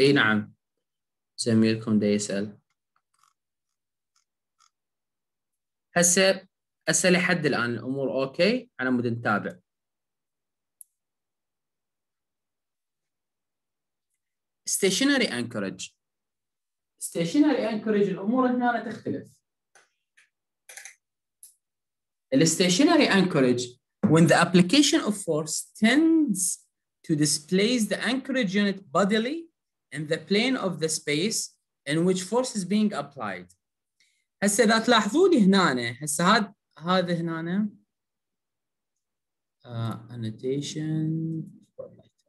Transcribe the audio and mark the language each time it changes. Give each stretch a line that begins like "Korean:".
Arabic: اي نعم زميلكم دا يسال هسه أسأل لحد الآن الأمور أوكي على مود نتابع. ستيشنري أنكورج، ستيشنري أنكورج الأمور هنا تختلف.
English: الستيشنري anchorage when the application of force tends to displace the anchorage unit bodily in the plane of the space in which force is being applied.
Arabic: هسه إذا تلاحظوني هنا هسه هذا هنا annotation okay.